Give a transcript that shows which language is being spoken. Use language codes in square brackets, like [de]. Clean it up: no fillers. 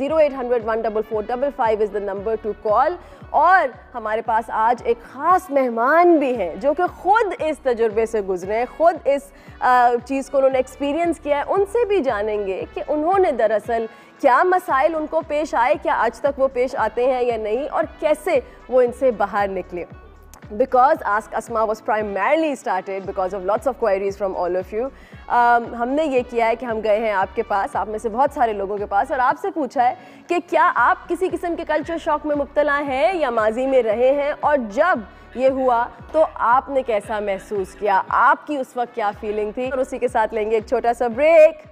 [en] 0800-144-555 is the number to call. [hi] और हमारे पास आज एक ख़ास मेहमान भी हैं जो कि खुद इस तजुर्बे से गुजरे हैं, खुद इस चीज़ को उन्होंने एक्सपीरियंस किया है. उनसे भी जानेंगे कि उन्होंने दरअसल क्या मसाइल उनको पेश आए, क्या आज तक वो पेश आते हैं या नहीं, और कैसे वो इनसे बाहर निकले. [en] Because Ask Asma was primarily started because of lots of queries from all of you. [hi] हमने ये किया है कि हम गए हैं आपके पास, आप में से बहुत सारे लोगों के पास, और आपसे पूछा है कि क्या आप किसी किस्म के कल्चर शॉक में मुब्तला हैं या माजी में रहे हैं, और जब ये हुआ तो आपने कैसा महसूस किया, आपकी उस वक्त क्या फीलिंग थी. और उसी के साथ लेंगे एक छोटा सा ब्रेक.